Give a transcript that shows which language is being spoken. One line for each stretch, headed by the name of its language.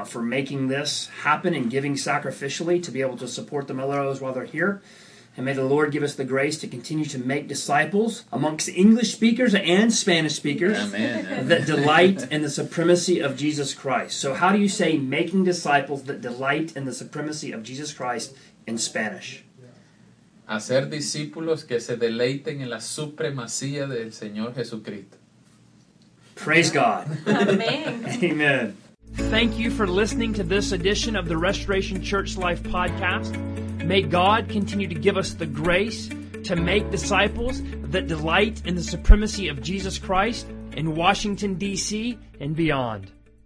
English: For making this happen and giving sacrificially to be able to support the Melrose while they're here. And may the Lord give us the grace to continue to make disciples amongst English speakers and Spanish speakers Amen. That delight in the supremacy of Jesus Christ. So how do you say making disciples that delight in the supremacy of Jesus Christ in Spanish?
Spanish: Hacer discípulos que se deleiten en la supremacía del Señor Jesucristo.
English: Praise God. Amen. Amen. Thank you for listening to this edition of the Restoration Church Life Podcast. May God continue to give us the grace to make disciples that delight in the supremacy of Jesus Christ in Washington, D.C. and beyond.